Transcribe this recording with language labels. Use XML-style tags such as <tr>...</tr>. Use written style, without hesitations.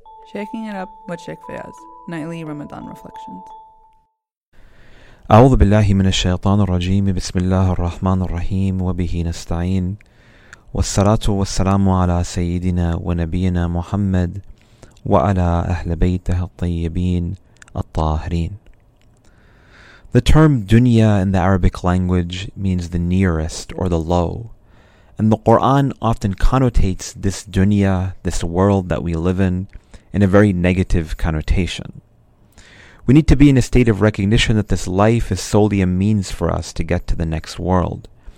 <en>Shaking It Up with Sheikh Faiyaz, Nightly Ramadan Reflections.</en> <ar>أعوذ بالله من الشيطان الرجيم بسم الله الرحمن الرحيم وبه نستعين والصلاة والسلام على سيدنا ونبينا محمد وعلى أهل بيته الطيبين الطاهرين.</ar> <en>The term dunya in the Arabic language means the nearest or the low. And the Quran often connotates this dunya, this world that we live in a very negative connotation. We need to be in a state of recognition that this life is solely a means for us to get to the next world.</en>